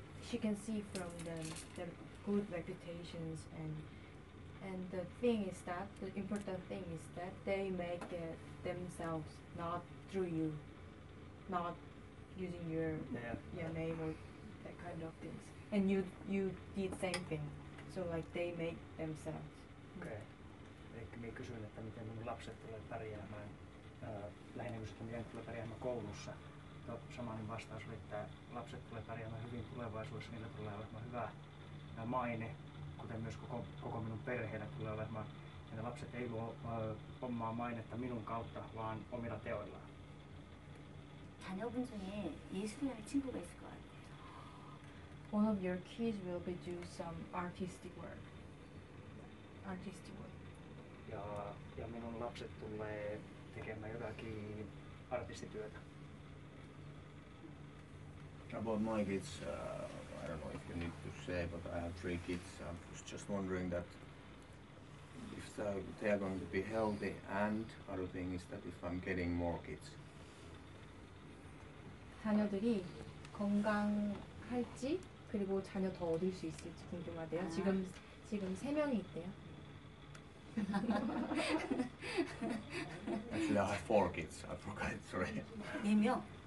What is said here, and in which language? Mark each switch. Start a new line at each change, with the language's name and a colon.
English: She can see from them their good reputations and the thing is that the important thing is that they make it themselves, not through you, not using your name or that kind of things. And you did same thing, so like they make themselves. Okay.
Finnish: Eli minä kysyin, että miten mun lapset tulee pärjäämään lähinnä kuin sitten miten tulee pärjäämään koulussa. Samainen vastaus oli, että lapset tulee pärjäämään hyvin tulevaisuudessa, niillä tulee olemaan hyvä maine, kuten myös koko minun perheellä tulee olemaan ja ne lapset ei luo omaa mainetta minun kautta, vaan omilla teoillaan.
Korean: 자녀분 중에 예술이라는 친구가 있을 것 같아요.
English: One of your kids will be do some artistic work. Artistic work.
Finnish: Ja minun lapset tulee tekemään jotakin artistityötä.
English: About my kids, I don't know if you need to say, but I have 3 kids. I was just wondering that if they are going to be healthy, and other thing is that if I'm getting more kids.
Korean: 자녀들이 건강할지 그리고 자녀 더 얻을 수 있을지 궁금하대요. 지금 세 명이 있대요.
English: Actually, I have 4 kids. I forgot. Sorry.
Korean: 네 명.